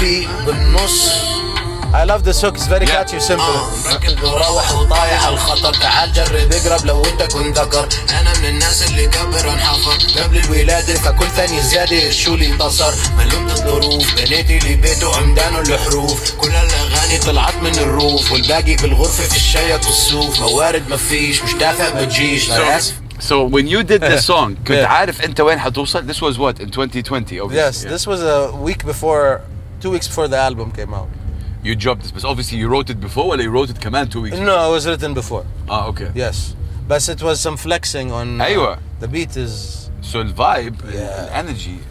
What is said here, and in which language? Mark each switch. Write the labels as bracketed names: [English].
[English] I love this hook, it's very catchy, simple. [Arabic] روح وطايح الخطر تعال جرب اقرب لو انت كنت ذكر انا من الناس اللي قبر انحفر قبل الولاده فكل ثانيه زياده شو اللي انتصر ملومت الظروف بنيتي اللي بيته عمدانه الحروف كل الاغاني طلعت من الروف والباقي بالغرفه في الشيك والسوف موارد ما فيش مش دافع بتجيش [English] So when you did this song, [Arabic] كنت عارف انت وين حتوصل? [English] This was what, in 2020? Obviously. Yes, this was a week before, 2 weeks before the album came out. You dropped this, but obviously you wrote it before, or you wrote it command 2 weeks No, it was written before. Ah, okay. Yes. But it was some flexing on... [Arabic] أيوة. [English] The beat is... So the vibe, the energy.